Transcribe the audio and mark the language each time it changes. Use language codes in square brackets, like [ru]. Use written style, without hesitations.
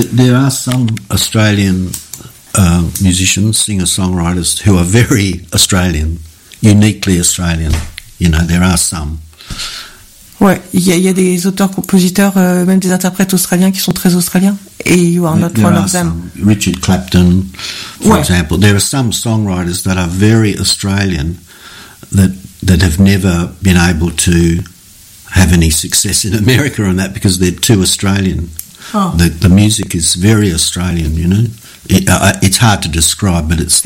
[en] There are some Australian musicians, singer-songwriters who are very Australian, uniquely Australian. You know, there are some. [fr] Ouais, il y a des auteurs-compositeurs, même des interprètes australiens qui sont très australiens. [en] Et you are not there one of them. Some. Richard Clapton, for example. There are some songwriters that are very Australian that have never been able to have any success in America on that because they're too Australian. Oh. The music is very Australian, you know. It's hard to describe, but it's